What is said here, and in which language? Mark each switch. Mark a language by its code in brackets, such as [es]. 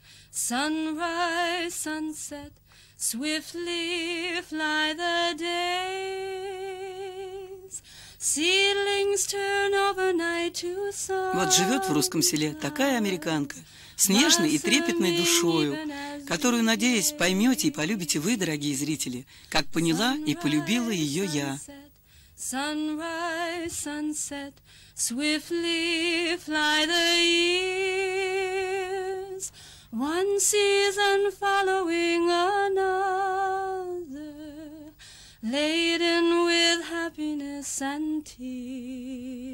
[en] Sunrise, sunset, swiftly fly the days. Seedlings turn overnight to sun. [ru] Вот живет в русском селе такая американка, с нежной и трепетной душою, которую, надеюсь, поймете и полюбите вы, дорогие зрители, как поняла и полюбила ее я. [en] Sunrise, sunset, swiftly fly the years. One season following another, laden with happiness and tears.